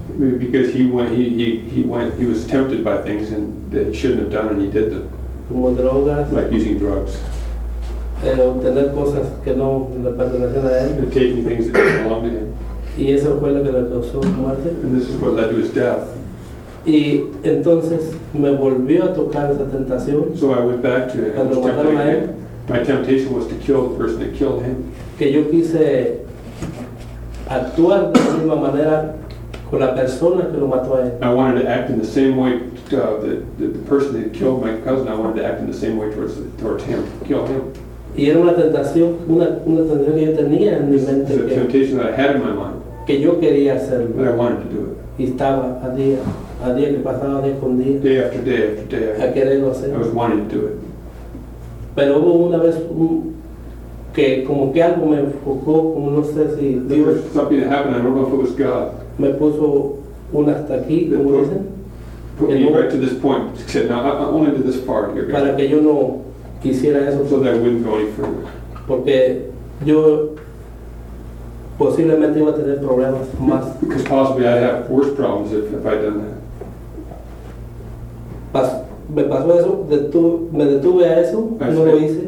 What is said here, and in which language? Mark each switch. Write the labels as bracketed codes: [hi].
[en] Because he was tempted by things and that he shouldn't have done, and he did them. [es] Como drogas. [en] Like using drugs. [es] Obtener cosas que no le pertenecían a él. [en] And taking things that didn't belong to him. [es] Y eso fue lo que le causó muerte. [en] And this is what led to his death. [es] Y entonces me volvió a tocar esa tentación. [en] So I went back to him. My temptation was to kill the person that killed him. [es] Que yo quise actuar de la misma manera con la persona que lo mató a él. [en] I wanted to act in the same way the person that killed my cousin. I wanted to act in the same way towards him, kill him. [es] Y era una tentación que yo tenía en mi mente. [en] It's a temptation that I had in my mind. [es] Que yo quería hacerlo. [en] But I wanted to do it. [es] Y estaba a día que pasaba, día con día. [en] Day after day after day. [es] A quererlo hacer. [en] I was wanting to do it. [es] Pero hubo una vez que como que algo me enfocó, como no sé si Dios. [en] There was something that happened. I don't know if it was God. [es] Me puso un hasta aquí, como dicen. [en] Put me right to this point. He said, "Now, only to this part here." [es] Para que yo no quisiera eso. [en] So that I wouldn't go any further. [es] Porque yo posiblemente iba a tener problemas más. [en] Because possibly I'd have worse problems if I'd done that. [es] Me pasó eso, me detuve a eso, no lo hice.